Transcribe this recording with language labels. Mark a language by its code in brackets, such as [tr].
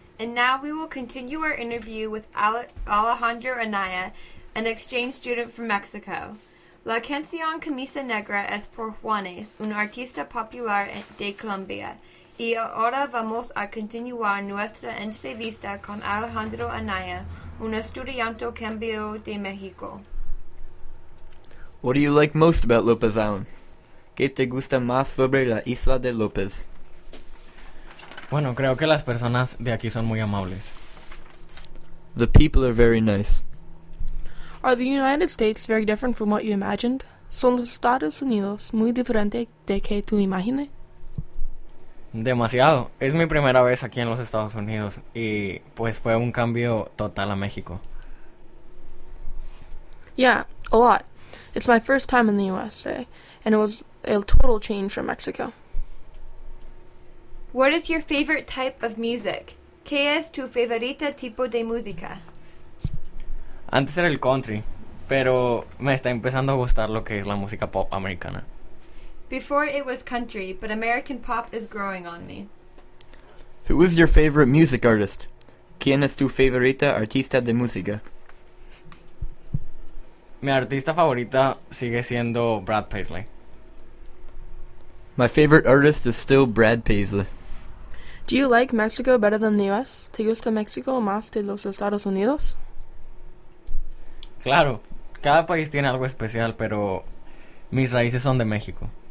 [en] And now we will continue our interview with Alejandro Anaya, an exchange student from Mexico. [es] La canción Camisa Negra es por Juanes, un artista popular de Colombia. Y ahora vamos a continuar nuestra entrevista con Alejandro Anaya, un estudiante cambio de México. [en] What do you like most about Lopez Island? [es] ¿Qué te gusta más sobre la isla de López? Bueno, creo que las personas de aquí son muy amables. [en] The people are very nice. Are the United States very different from what you imagined? [es] ¿Son los Estados Unidos muy diferente de que tú imagines? Demasiado. Es mi primera vez aquí en los Estados Unidos y pues fue un cambio total a México. [en] Yeah, a lot. It's my first time in the USA, and it was a total change from Mexico. What is your favorite type of music? [es] ¿Qué es tu favorita tipo de música? Antes era el country, pero me está empezando a gustar lo que es la música pop americana. [en] Before it was country, but American pop is growing on me. Who is your favorite music artist? [es] ¿Quién es tu favorita artista de música? Mi artista favorita sigue siendo Brad Paisley. [en] My favorite artist is still Brad Paisley. Do you like Mexico better than the US? [es] ¿Te gusta México más de los Estados Unidos? Claro, cada país tiene algo especial, pero mis raíces son de México.